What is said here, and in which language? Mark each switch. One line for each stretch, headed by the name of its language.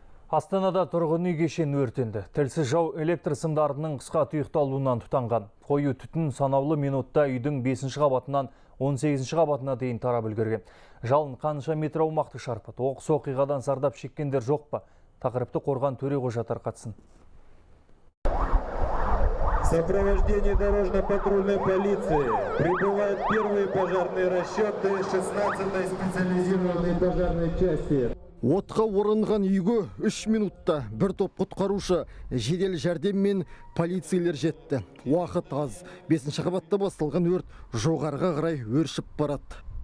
Kazakh: Астанада тұрғын үй кешені өртенді. Тілсіз жау электр сымдарының қысқа тұйықталуынан тұтанған. Қою түтін санаулы минутта үйдің 5-ші қабатынан 18-ші қабатына дейін тарап үлгерген. Жалын қанша метр аумақты шарпы? Оқыс оқиғадан зардап шеккендер жоқ па? Тақырыпты қорған Төре Қожа тарқатсын.
Russian: Сопровождение дорожно-патрульной полиции. Прибывают первые пожарные расчеты 16-й специализированной пожарной части.
Kazakh: Отқа орынған үйгі 3 минутта бір топ құтқарушы жедел жәрдеммен полицейлер жетті. Уақыт аз. 5-ші қабатта басталған өрт жоғарға қарай өршіп барады.